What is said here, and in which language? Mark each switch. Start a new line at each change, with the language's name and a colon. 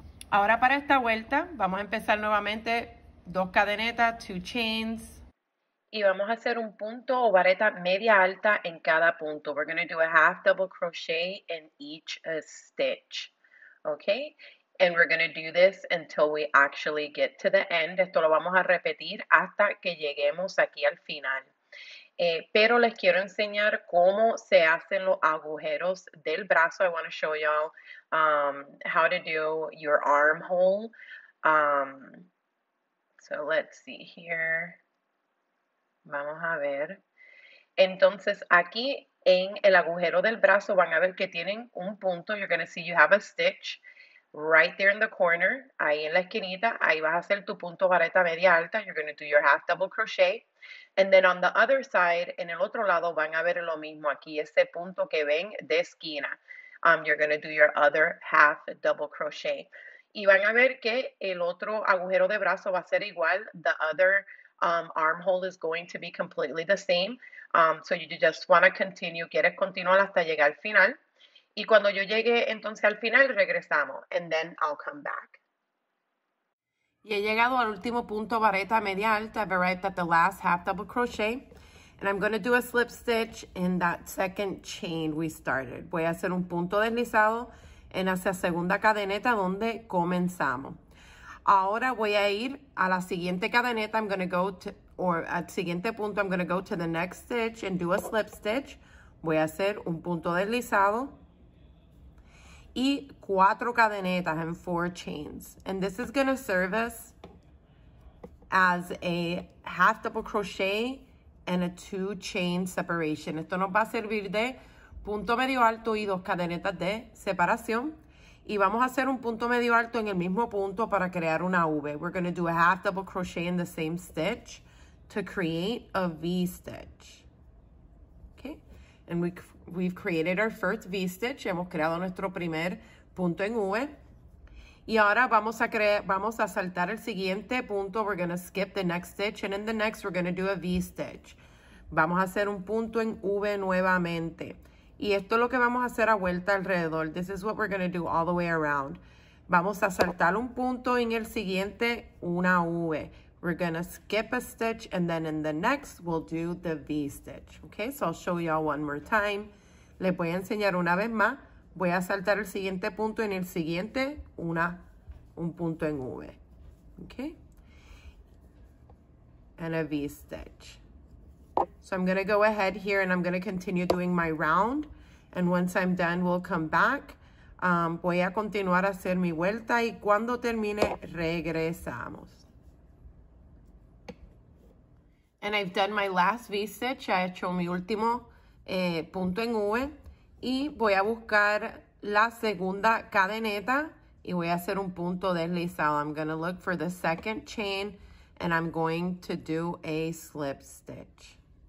Spanish: Ahora para esta vuelta, vamos a empezar nuevamente, dos cadenetas,
English: two chains.
Spanish: Y vamos a hacer un punto o vareta media alta en cada punto.
English: We're going to do a half double crochet in each stitch. Okay, and we're going to do this until we actually get to the end.
Spanish: Esto lo vamos a repetir hasta que lleguemos aquí al final. Pero les quiero enseñar cómo se hacen los agujeros del brazo.
English: I want to show y'all how to do your armhole. So let's see here.
Spanish: Vamos a ver. Entonces aquí en el agujero del brazo van a ver que tienen un punto.
English: You're going to see you have a stitch right there in the corner,
Spanish: ahí en la esquinita. Ahí vas a hacer tu punto vareta media alta.
English: You're going to do your half double crochet. And then on the other side,
Spanish: en el otro lado, van a ver lo mismo aquí, ese punto que ven de esquina.
English: You're going to do your other half double crochet.
Spanish: Y van a ver que el otro agujero de brazo va a ser igual.
English: The other armhole is going to be completely the same. So you just want to continue.
Spanish: Quieres continuar hasta llegar al final. Y cuando yo llegue entonces al final, regresamos.
English: And then I'll come back.
Spanish: Y he llegado al último punto vareta media alta.
English: I've arrived at the last half double crochet. And I'm going to do a slip stitch in that second chain we started.
Spanish: Voy a hacer un punto deslizado en hacia segunda cadeneta donde comenzamos. Ahora voy a ir a la siguiente cadeneta.
English: I'm going to go to... Or at
Spanish: siguiente punto,
English: I'm going to go to the next stitch and do a slip stitch.
Spanish: Voy a hacer un punto deslizado y cuatro cadenetas
English: and four chains. And this is going to serve us as a half double crochet and a two chain separation.
Spanish: Esto nos va a servir de punto medio alto y dos cadenetas de separación. Y vamos a hacer un punto medio alto en el mismo punto para crear una V.
English: We're going to do a half double crochet in the same stitch to create a V-stitch, okay? And we've created our first V-stitch.
Spanish: Hemos creado nuestro primer punto en V. Y ahora vamos a saltar el siguiente punto.
English: We're going to skip the next stitch. And in the next, we're going to do a V-stitch.
Spanish: Vamos a hacer un punto en V nuevamente. Y esto es lo que vamos a hacer a vuelta alrededor.
English: This is what we're going to do all the way around.
Spanish: Vamos a saltar un punto en el siguiente, una V.
English: We're going to skip a stitch, and then in the next, we'll do the V-stitch. Okay, so I'll show y'all one more time.
Spanish: Les voy a enseñar una vez más. Voy a saltar el siguiente punto en el siguiente, una un punto en V. Okay?
English: And a V stitch. So I'm gonna go ahead here and I'm gonna continue doing my round. And once I'm done, we'll come back.
Spanish: Voy a continuar a hacer mi vuelta y cuando termine, regresamos.
English: And I've done my last V stitch.
Spanish: He hecho mi último punto en V. Y voy a buscar la segunda cadeneta y voy a hacer un punto deslizado.
English: I'm gonna look for the second chain and I'm going to do a slip stitch.